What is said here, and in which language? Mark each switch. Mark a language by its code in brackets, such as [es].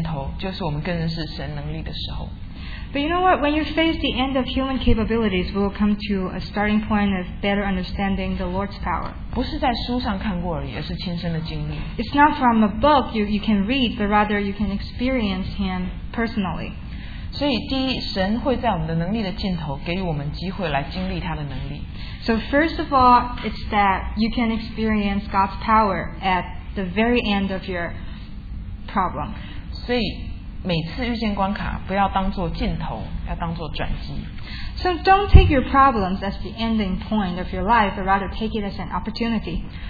[zh] 但是当我们面对人能力的尽头，就是我们更认识神能力的时候。 [en] But you know what? When you face the end of human capabilities, we will come to a starting point of better understanding the Lord's power. [zh] 不是在书上看过而已，而是亲身的经历。 [en] It's not from a book you can read, but rather you can experience Him personally. [zh] 所以第一，神会在我们的能力的尽头给予我们机会来经历他的能力。 [en] So first of all, it's that you can experience God's power at the very end of your problem. [zh] 所以每次遇见关卡，不要当作尽头，要当作转机。 [en] So don't take your problems as the ending point of your life, but rather take it as an opportunity.